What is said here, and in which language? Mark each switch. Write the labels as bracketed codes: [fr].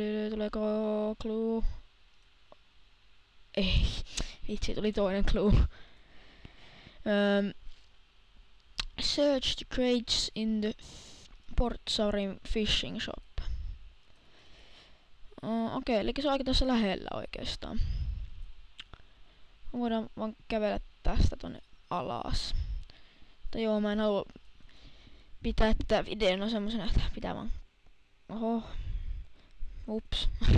[fi] Tuleeko clue? Ei, vitsi, tuli toinen clue. [en] Search the crates in the Portsaurin fishing shop. [fi] Okei, eli se on aika tässä lähellä oikeastaan. Voidaan vaan kävellä tästä tonne alas. Tai joo, mä en halua pitää tätä videon semmosena, että pitää vaan... Oho. Ups.